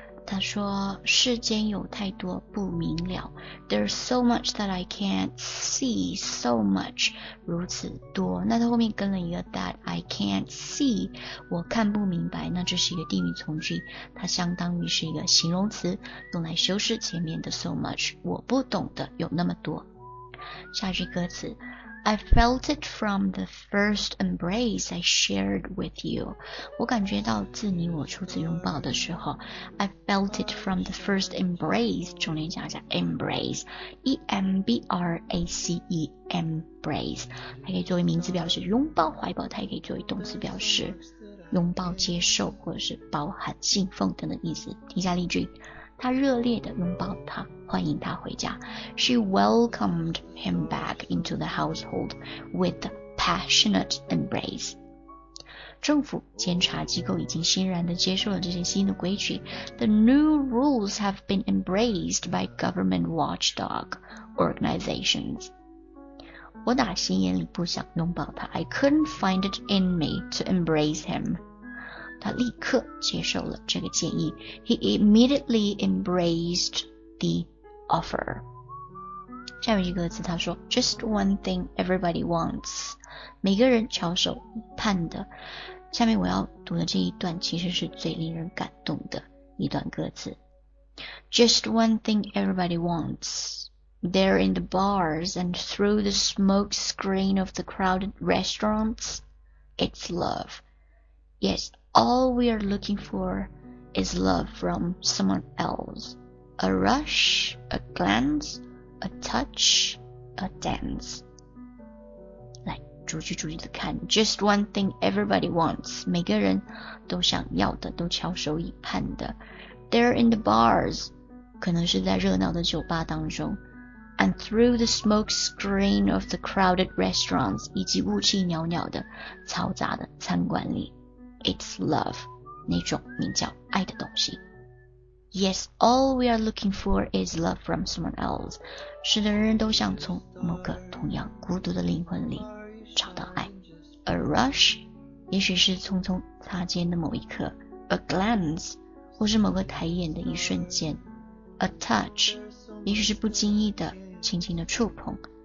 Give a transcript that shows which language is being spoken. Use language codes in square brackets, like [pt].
[zh] 他说世间有太多不明了 [en] There's so much that I can't see So much [zh] 如此多那他后面跟了一个 [en] That I can't see [zh] 我看不明白那这是一个定语从句它相当于是一个形容词用来修饰前面的 [en] so much [zh] 我不懂的有那么多下句歌词 [en] I felt it from the first embrace I shared with you. [zh] 我感觉到自你我初次拥抱的时候 [en] I felt it from the first embrace. [zh] 重点讲一下 embrace. [en] E-M-B-R-A-C-E, embrace. [zh] 它可以作为名词表示拥抱怀抱它也可以作为动词表示拥抱接受或者是包含信奉等等意思。听下例句。他热烈地拥抱他，欢迎他回家。 [en] She welcomed him back into the household with a passionate embrace. [zh] 政府监察机构已经欣然地接受了这些新的规矩。 [en] The new rules have been embraced by government watchdog organizations. [zh] 我打心眼里不想拥抱他。 [en] I couldn't find it in me to embrace him. [zh] 他立刻接受了这个建议。 [en] He immediately embraced the offer. [zh] 下面一个词他说 [en] Just one thing everybody wants. [zh] 每个人翘首盼的。下面我要读的这一段其实是最令人感动的一段歌词。 [en] Just one thing everybody wants. There in the bars and through the smoke screen of the crowded restaurants, it's love. Yes. All we are looking for is love from someone else. A rush, a glance, a touch, a dance. [zh] 来，逐句逐句的看。 [en] Just one thing everybody wants. [zh] 每个人都想要的，都翘首以盼的。 [en] They're in the bars. [zh] 可能是在热闹的酒吧当中。 [en] And through the smoke screen of the crowded restaurants. [zh] 以及雾气袅袅的嘈杂的餐馆里。 [en] It's love, [zh] 那种名叫爱的东西。 [en] Yes, all we are looking for is love from someone else. [zh] 是的，人人都想从某个同样孤独的灵魂里找到爱。 [en] A rush, [zh] 也许是匆匆擦肩的某一刻。 [en] A glance, [zh] 或是某个抬眼的一瞬间。 [en] A touch, [zh] 也许是不经意的轻轻的触碰。